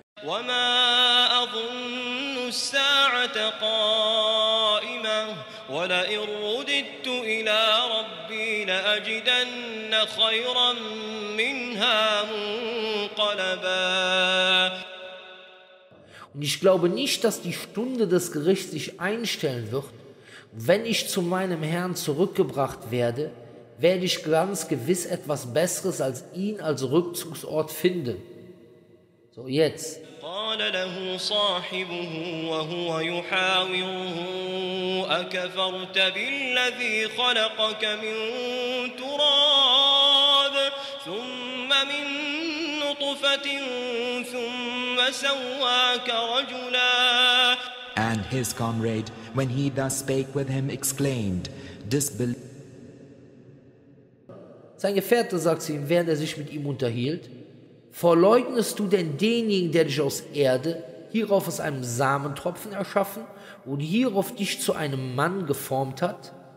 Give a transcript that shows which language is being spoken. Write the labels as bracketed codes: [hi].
[ar] وَمَا أَظُنُّ السَّاعَةَ قَائِمَةً وَلَئِن رُّدِدتُّ إِلَىٰ رَبِّي لَأَجِدَنَّ خَيْرًا مِّنْهَا مُنْقَلَبًا. [de] Und ich glaube nicht, dass die Stunde des Gerichts sich einstellen wird. Wenn ich zu meinem Herrn zurückgebracht werde, werde ich ganz gewiss etwas Besseres als ihn als Rückzugsort finden. So, jetzt. [ar] قال له صاحبه وهو يحاوره أكفرت بالذي خلقك من تراب ثم من نطفة ثم سواك رجلا. [en] And his comrade, when he thus spake with him, exclaimed, disbelief. [de] Sein Gefährte sagt zu ihm, während er sich mit ihm unterhielt, verleugnest du denn denjenigen, der dich aus Erde, hierauf aus einem Samentropfen erschaffen und hierauf dich zu einem Mann geformt hat?